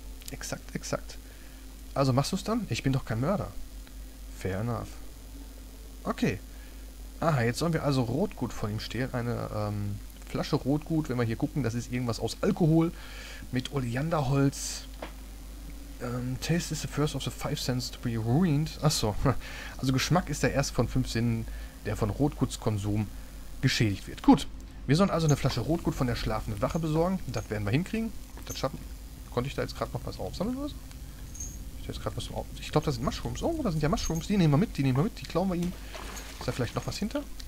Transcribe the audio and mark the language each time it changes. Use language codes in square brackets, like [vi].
[de] Exakt. Also machst du es dann? Ich bin doch kein Mörder. [en] Fair enough. [de] Okay. Aha, jetzt sollen wir also Rotgut von ihm stehlen. Eine Flasche Rotgut, wenn wir hier gucken, das ist irgendwas aus Alkohol mit Olianderholz. [en] Taste is the first of the five senses to be ruined. [de] Achso, also Geschmack ist der erste von fünf Sinnen, der von Rotguts Konsum geschädigt wird. Gut, wir sollen also eine Flasche Rotgut von der schlafenden Wache besorgen. Das werden wir hinkriegen. Das schaffen. Konnte ich da jetzt gerade noch was aufsammeln oder was? Ich glaube, das sind Mushrooms. Oh, da sind ja Mushrooms. Die nehmen wir mit. Die klauen wir ihm. Ist da vielleicht noch was hinter?